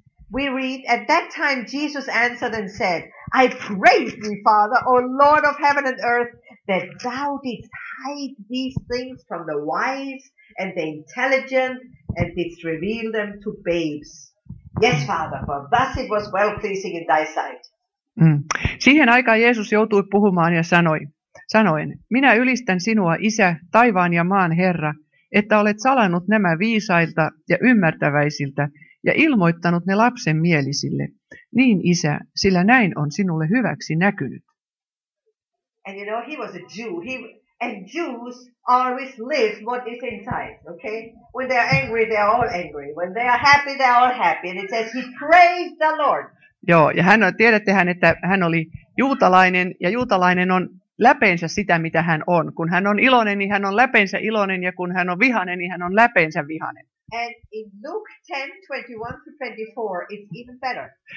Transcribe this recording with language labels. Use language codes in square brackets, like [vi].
[en] We read, at that time Jesus answered and said, I pray thee, Father, O Lord of heaven and earth, that thou didst hide these things from the wise and the intelligent, and didst reveal them to babes. Yes, Father, for thus it was well pleasing in thy sight. Mm. [fi] Siihen aikaan Jeesus joutui puhumaan ja sanoen, minä ylistän sinua, Isä, taivaan ja maan Herra, että olet salannut nämä viisailta ja ymmärtäväisiltä, ja ilmoittanut ne lapsen mielisille. Niin, Isä, sillä näin on sinulle hyväksi näkynyt. [en] And you know, he was a Jew. And Jews always live what is inside, okay? When they are angry, they are all angry. When they are happy, they are all happy. And it says, he praised the Lord. [fi] Joo, ja hän, tiedättehän, että hän oli juutalainen, ja juutalainen on läpeensä sitä, mitä hän on. Kun hän on iloinen, niin hän on läpeensä iloinen, ja kun hän on vihainen, niin hän on läpeensä vihainen. [en] And in Luke 10:21-24, it's even better.